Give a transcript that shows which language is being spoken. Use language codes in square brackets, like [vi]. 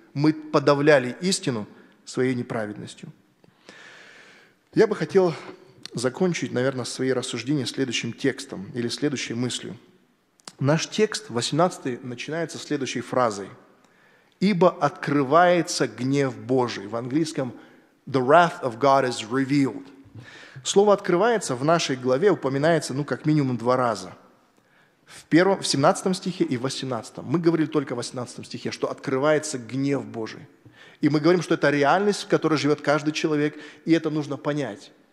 [ru] Мы подавляли истину своей неправедностью. Я бы хотел закончить, наверное, свои рассуждения следующим текстом или следующей мыслью. Наш текст, 18-й, начинается следующей фразой. «Ибо открывается гнев Божий». В английском [en] «The wrath of God is revealed». [ru] Слово «открывается» в нашей главе упоминается, как минимум два раза. В 17 стихе и в 18. Мы говорили только в 18 стихе, что открывается гнев Божий. И мы говорим, что это реальность, в которой живет каждый человек, и это нужно понять.